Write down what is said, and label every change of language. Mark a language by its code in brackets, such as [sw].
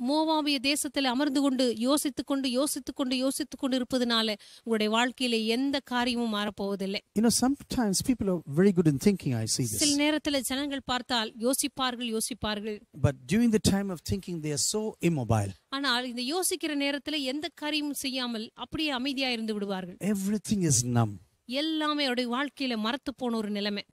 [ta] மோவாபிய தேசத்தில் அமர்ந்து கொண்டு யோசித்துக் கொண்டு இருப்பதனால உங்களுடைய வாழ்க்கையில எந்த காரியமும் மாறப்போவதில்லை. [en] You know, sometimes people are very good in thinking. I see this. [ta] சில நேரத்தில் ஜனங்கள் பார்த்தால் யோசிப்பார்கள். [en] But during the time of thinking, they are so immobile. [ta] ஆனால் இந்த யோசிக்கிற நேரத்தில் எந்த காரியமும் செய்யாமல் அப்படியே அமைதியாக இருந்து விடுவார்கள். [en] Everything is numb. [ta] எல்லாமே அவருடைய வாழ்க்கையில மறத்து போன ஒரு நிலைமை.